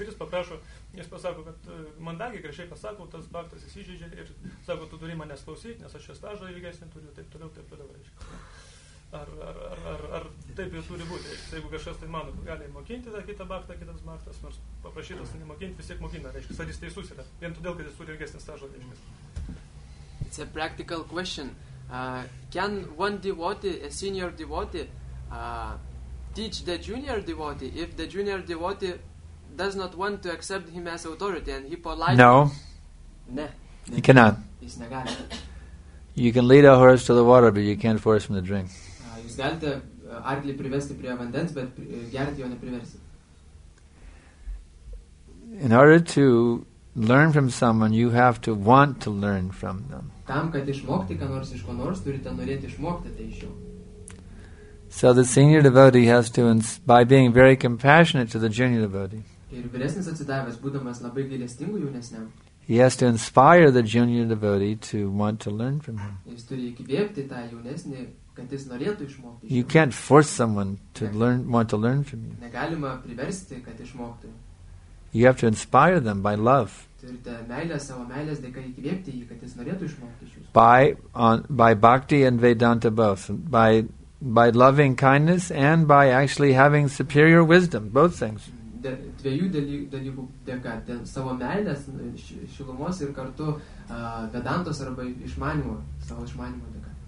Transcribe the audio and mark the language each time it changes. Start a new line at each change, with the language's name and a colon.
Lithuanian: Ir jis paprašo, jis pasako, kad mandagiai grešiai pasako, tas baktas išžydė ir sako, tu turi manęs klausyti, nes aš šią stažą ilgesnį turiu, taip toliau, reiškia. Ar taip jau turi būti, jeigu kažkas tai mano, gali mokinti tą kitą baktą, kitas baktas, nors paprašytas nemokinti, vis tiek mokina, reiškia, ar jis teisus yra, vien todėl, kad jis turi ilgesnį stažą, reiškia.
English: It's a practical question. Can one devotee, a senior devotee, teach the junior devotee if the junior devotee does not want to accept him as authority and he politely... No.
Lithuanian: Ne.
English: He cannot.
Lithuanian: Jis negali.
English: You can lead a horse to the water, but you can't force him to drink.
Lithuanian: Jūs galite arklį privesti prie vandens, bet gerti jo nepriversi.
English: In order to learn from someone, you have to want to learn from them.
Lithuanian: Tam, kad išmokti ką nors iš ko nors, turite norėti išmokti tai iš jo.
English: So the senior devotee has to, by being very compassionate to the junior devotee,
Lithuanian: ir vyresnis atsidavęs, būdamas labai gailestingu jaunesniam,
English: he has to inspire the junior devotee to want to learn from him.
Lithuanian: Jis turi įkvėpti tą jaunesnį, kad jis norėtų išmokti iš jo.
English: You can't force someone to learn, want to learn from you.
Lithuanian: Negalima priversti, kad išmoktų.
English: You have to inspire them by love.
Lithuanian: Turite meilę savo meilės dėka įkvėpti jį, kad jis norėtų išmokti iš jūsų.
English: By bhakti and vedanta both. By loving kindness and by actually having superior wisdom. Both things.
Lithuanian: Dviejų dalykų dėka. Dėl savo meilės šilumos ir kartu vedantos arba išmanimo, savo išmanimo dėka.